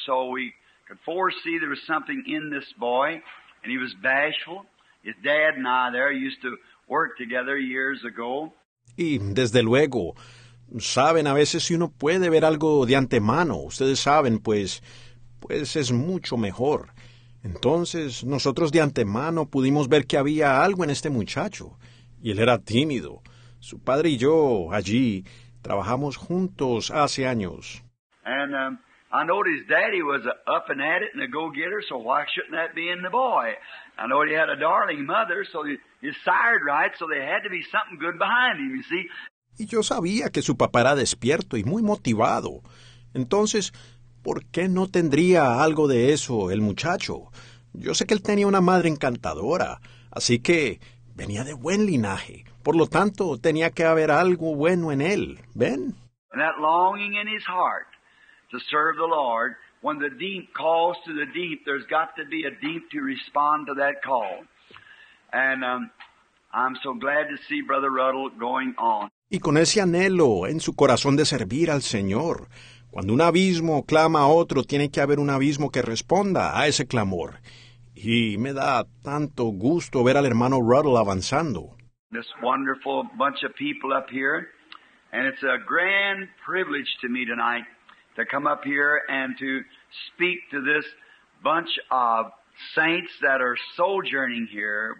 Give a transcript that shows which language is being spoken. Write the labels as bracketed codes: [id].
[en] So we could foresee there was something in this boy, and he was bashful. His dad and I there used to work together years ago. [es] Y desde luego, saben, a veces si uno puede ver algo de antemano, ustedes saben, pues es mucho mejor. Entonces, nosotros de antemano pudimos ver que había algo en este muchacho, y él era tímido. Su padre y yo, allí, trabajamos juntos hace años. [en] And I know his daddy was up and at it and a go-getter, so why shouldn't that be in the boy? I know he had a darling mother, so he's sired right, so there had to be something good behind him, you see? [es] Y yo sabía que su papá era despierto y muy motivado. Entonces, ¿por qué no tendría algo de eso el muchacho? Yo sé que él tenía una madre encantadora, así que venía de buen linaje. Por lo tanto, tenía que haber algo bueno en él. ¿Ven? [en] And that longing in his heart to serve the Lord, when the deep calls to the deep, there's got to be a deep to respond to that call. And I'm so glad to see Brother Ruddle going on. [es] Y con ese anhelo en su corazón de servir al Señor, cuando un abismo clama a otro, tiene que haber un abismo que responda a ese clamor. Y me da tanto gusto ver al hermano Ruddle avanzando. [en] This wonderful bunch of people up here, and it's a grand privilege to me tonight to come up here and to speak to this bunch of saints that are sojourning here.